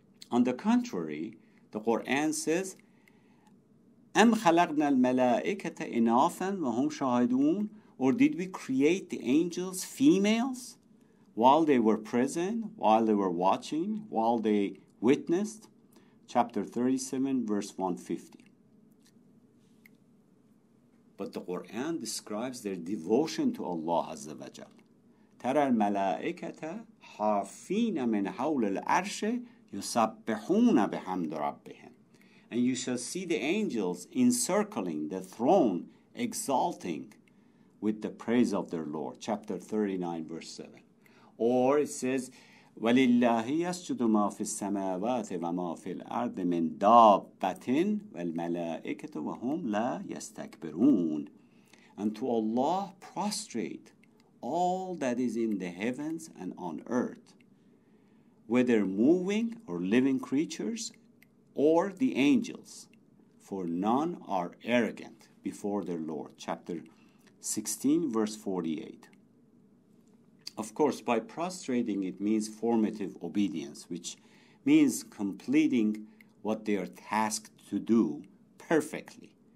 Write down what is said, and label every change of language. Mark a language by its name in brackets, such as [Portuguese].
[English] On the contrary, the Quran says, [Arabic] أَمْ خَلَقْنَا الْمَلَائِكَةَ إِنَاثًا وَهُمْ شَاهِدُونَ, [English] or did we create the angels females while they were present, while they were watching, while they witnessed? Chapter 37, verse 150. But the Quran describes their devotion to Allah Azza wa Jal. [Arabic] ترى الملائكة حافين من حول العرش يسبحون بحمد ربهم. [English] And you shall see the angels encircling the throne, exalting with the praise of their Lord. Chapter 39, verse 7. Or it says, [Arabic] ولله يسجد ما في السماوات وما في الأرض من دابة والملائكة وهم لا يستكبرون. [English] And to Allah prostrate all that is in the heavens and on earth, whether moving or living creatures or the angels, for none are arrogant before their Lord. Chapter 16, verse 48. Of course, by prostrating, it means formative obedience, which means completing what they are tasked to do perfectly.